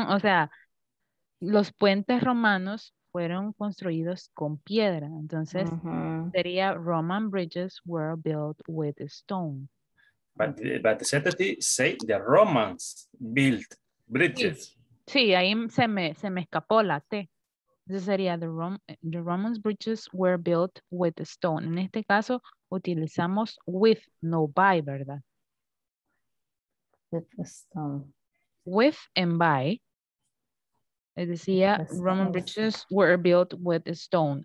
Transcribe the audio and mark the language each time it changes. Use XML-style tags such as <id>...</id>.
<es>Son, o sea, los puentes romanos fueron construidos con piedra. Entonces, uh-huh, sería</es> <en>Roman bridges were built with stone. But certainly say the Romans built bridges.</en> <es>Sí, sí, ahí se me escapó la T. Entonces sería</es> <en>the Romans bridges were built with stone.</en> <es>En este caso, utilizamos with, no by, ¿verdad?</es> <en>With stone. With and by.</en> <es>Les decía,</es> <en>Roman bridges were built with stone.</en>